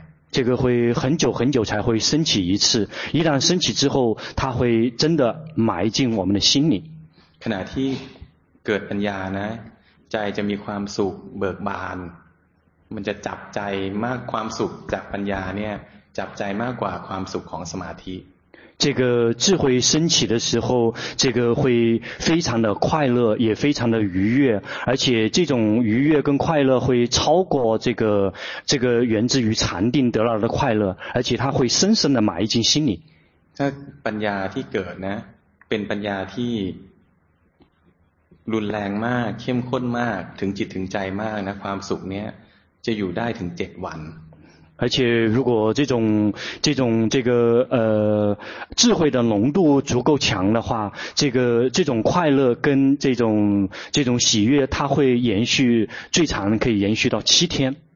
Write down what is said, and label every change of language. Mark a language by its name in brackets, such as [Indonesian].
[Chinese] 这个会很久很久才会升起一次一旦升起之后它会真的埋进我们的心里 [Thai] ขณะที่เกิดปัญญานะใจจะมีความสุขเบิกบานมันจะจับใจมากความสุขจากปัญญาเนี่ยจับใจมากกว่าความสุขของสมาธิ [Chinese] 这个智慧升起的时候这个会非常的快乐也非常的愉悦而且这种愉悦跟快乐会超过这个源自于禅定得到的快乐而且它会深深的埋进心里 [Thai] ถ้าปัญญาที่เกิดนะเป็นปัญญาที่รุนแรงมากเข้มข้นมากถึงจิตถึงใจมากนะความสุขเนี้ยจะอยู่ได้ถึง7วัน [Chinese] 而且如果这种这个智慧的浓度足够强的话这种快乐跟这种喜悦它会延续最长可以延续到7天